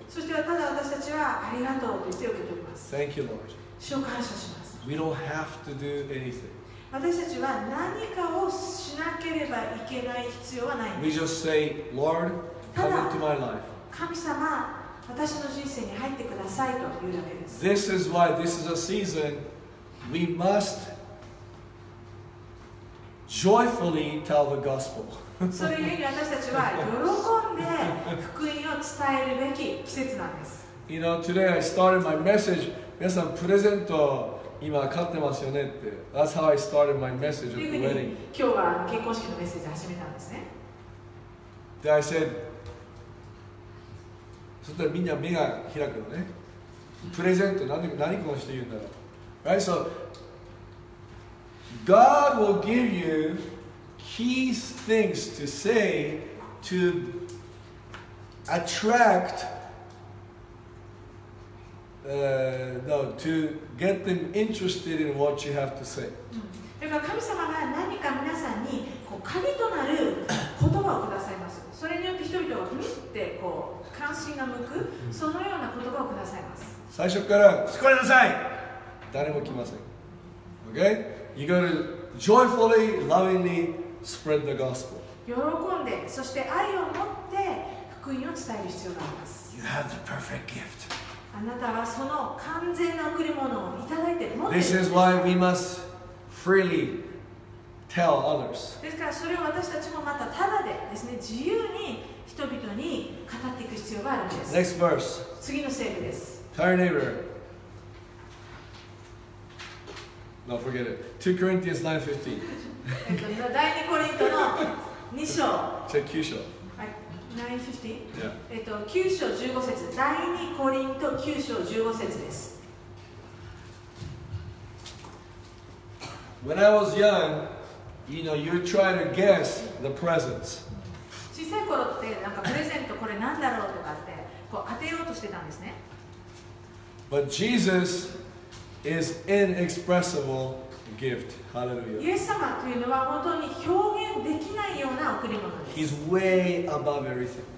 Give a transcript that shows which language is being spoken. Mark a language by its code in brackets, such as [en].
[ja] そしてただ私たちはありがとうと言って受け取ります。 [en] Thank you, Lord. [ja] 主を感謝します。 [en] We don't have to do anything. [ja] 私たちは何かをしなければいけない必要はないんです。 [en] We just say, Lord, come into my life. [ja] 神様私の人生に入ってくださいというだけです。 [en] This is why this is a season we must joyfully tell the gospel. [ja] それゆえに私たちは喜んで福音を伝えるべき季節なんです。 [en] You know, today I started my message. [ja] 皆さんプレゼント今買ってますよねって。 [en] That's how I started my message of the wedding. [ja] 今日は結婚式のメッセージ始めたんですね。 [en] で、I said. [ja] そしたらみんな目が開くのね。プレゼント、何この人言うんだろう。 [en] Right, so, God will give you key things to say to attract, to get them interested in what you have to say. [ja] だから神様が何か皆さんにこう鍵となる言葉をくださいます。それによって人々を踏みってこう関心が向く、そのような言葉をくださいます。最初から、救われなさい誰も来ません。 [en] OK? You gotta joyfully, lovingly spread the gospel. [ja] 喜んで、そして愛を持って福音を伝える必要があります。 [en] You have the perfect gift. [ja] あなたはその完全な贈り物をいただいて、持っている [en] This is why we must freely tell others. [ja] ですからそれを私たちもまたただでですね、自由に人々に語っていく必要があるんです。 [en] Next verse. [ja] 次の聖句です。 [en] Tell your neighbor. No, forget it. 2 Corinthians [ja] 9:15. 第2コリントの2章。 Check 9章。 [en] When I was young, you know, you try to guess the presents. [ja] 小さい頃ってなんかプレゼントこれなんだろうとかってこう当てようとしてたんですね。 [en] But Jesus is inexpressible gift. Hallelujah. [ja] イエス様というのは本当に表現できないような贈り物です。 [en] He's way above everything.